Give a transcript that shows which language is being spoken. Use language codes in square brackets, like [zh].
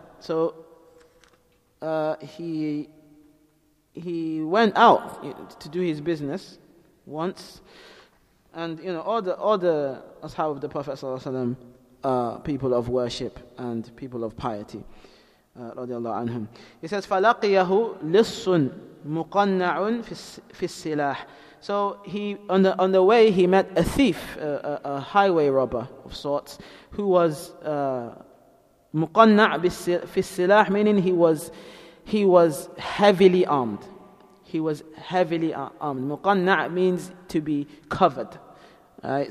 [en] So he went out to do his business once, and all the ashab of the Prophet sallallahu alaihi wasallam are people of worship and people of piety, radiallahu anhum. He says, [ar] فَلَقِيَهُ لِصٌ مُقَنَّعٌ فِي السِّلَاحِ. [en] So he on the way he met a thief, a highway robber of sorts, who was [ar] مُقَنَّعٌ فِي السِّلَاحِ, [en] meaning he was heavily armed. He was heavily armed. مُقَنَّع means to be covered. Right?